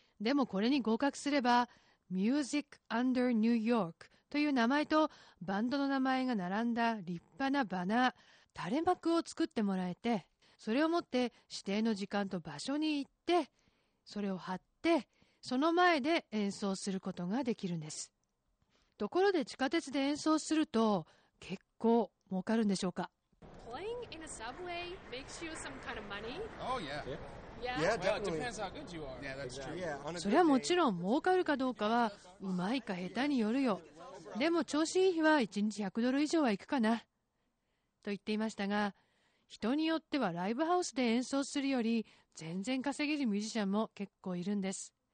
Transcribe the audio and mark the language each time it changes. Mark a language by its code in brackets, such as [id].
[ja] でもこれに合格すれば Music Under New York という名前とバンドの名前が並んだ立派なバナー、垂れ幕を作ってもらえて、それを持って指定の時間と場所に行って、それを貼って、その前で演奏することができるんです。ところで地下鉄で演奏すると結構儲かるんでしょうか。 [en] Playing in a subway makes you some kind of money? Oh yeah. Yeah, yeah, definitely. Well, it depends how good you are. Yeah, that's true. Yeah, [ja] それはもちろん儲かるかどうかはうまいか下手によるよ。でも調子いい日は1日100ドル以上は行くかなと言っていましたが、人によってはライブハウスで演奏するより全然稼げるミュージシャンも結構いるんです。